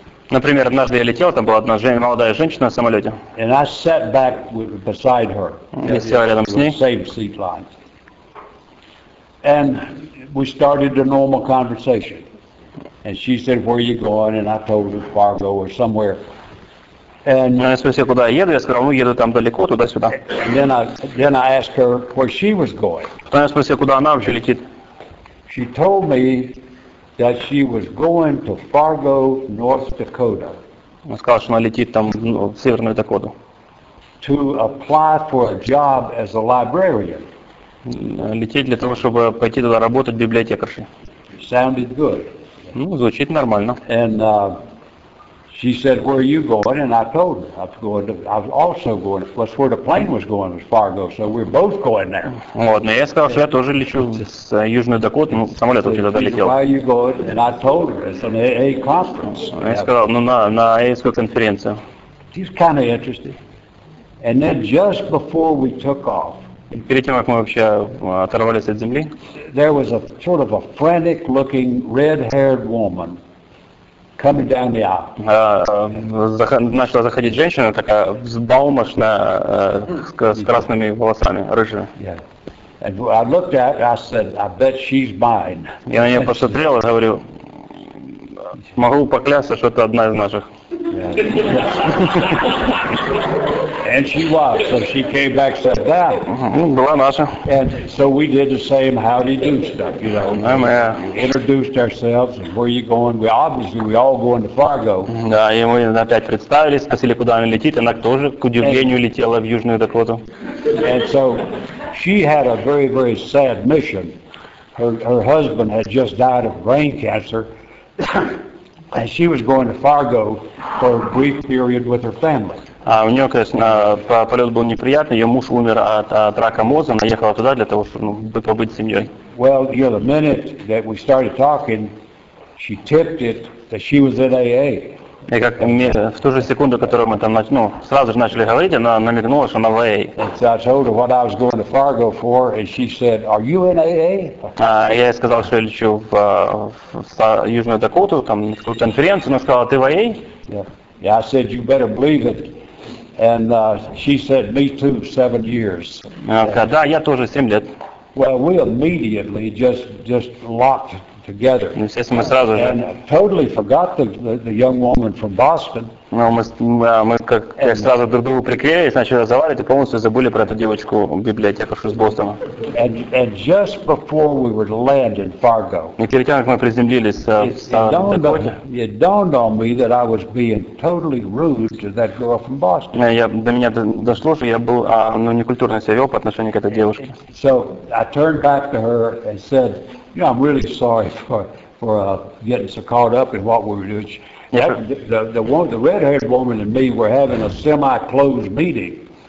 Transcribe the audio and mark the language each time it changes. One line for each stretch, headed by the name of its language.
Russian: Например, однажды я летел, там была одна молодая женщина в самолете.
English: And I sat back beside her.
Russian: Я сел рядом с ней.
English: Same seat line. And we started the normal conversation. And she said, "Where are you going?" And I told her Fargo or somewhere.
Russian: And она спросила, куда я еду. Я сказал, ну еду там далеко, туда-сюда.
English: And then I asked her where she was going.
Russian: Потом я спросил, куда она вообще летит.
English: She told me that she was going to Fargo, North Dakota.
Russian: Она сказала, что она летит там в Северную Дакоту.
English: To apply for a job as a librarian.
Russian: Лететь для того, чтобы пойти туда работать библиотекаршей.
English: Sounded good.
Russian: Ну, звучит нормально.
English: And she said, "Where are you going?" And I told her, "I was also going. That's where the plane was going, was Fargo. So we're both going there."
Russian: Вот, но я сказал, что я тоже лечу с Южной Дакоты, ну, самолет вообще туда летел.
English: "Where are you going?" And I told her, "It's an AA conference."
Russian: Я сказал, ну, на AA-скую конференцию.
English: She's kind of interested. And then just before we took off.
Russian: Перед тем, как мы вообще оторвались от земли,
English: there was a sort of a frantic looking red-haired woman coming down the aisle.
Russian: Начала заходить женщина такая взбалмошная, с красными волосами, рыжая.
English: Yeah. And I looked at her, I said, "I bet she's mine."
Russian: Я на нее посмотрел и говорю, могу поклясться, что это одна из наших.
English: And she was, so she came back and said that.
Russian: Была наша.
English: And so we did the same howdy do stuff, you know. Yeah. Introduced ourselves, and where are you going? We all going to Fargo.
Russian: Да, и мы опять представились, спросили, куда она летит. Она тоже, к удивлению, летела в Южную Дакоту.
English: And so she had a very, very sad mission. Her husband had just died of brain cancer. And she was going to Fargo for a brief period with her family.
Russian: У нее, конечно, полет был неприятный. Ее муж умер от рака мозга. Она ехала туда для того, чтобы побыть с семьей.
English: Well, you know, the minute that we started talking, she tipped it that she was in AA.
Russian: И как в ту же секунду, которую мы там сразу же начали говорить, она намекнула, что она в AA.
English: So I told her what I was going to Fargo for, and she said, "Are you in AA?"
Russian: Я ей сказал, что я лечу в Южную Дакоту, там, в какую-то конференцию. Она сказала, "Ты в AA?"
English: Yeah. Yeah, I said, "You better believe it." And she said, "Me too, 7 years."
Russian: Okay, да, я тоже 7 лет.
English: Well, we immediately just locked together.
Russian: Ну, естественно, мы сразу же.
English: And totally forgot the young woman from Boston.
Russian: Ну, мы сразу друг другу приклеились, начали разговаривать, и полностью забыли про эту девочку библиотекаршу из Бостона.
English: And just before we were to land in Fargo.
Russian: И перед тем, как мы приземлились в Сан-Дакоте.
English: It dawned on me that I was being totally rude to that girl from Boston.
Russian: До меня дошло, что я был некультурно себя вел по отношению к этой девушке.
English: So I turned back to her and said, "You know, I'm really sorry for getting so caught up in what we were doing." Yeah. The red-haired woman and me were having a semi-closed meeting.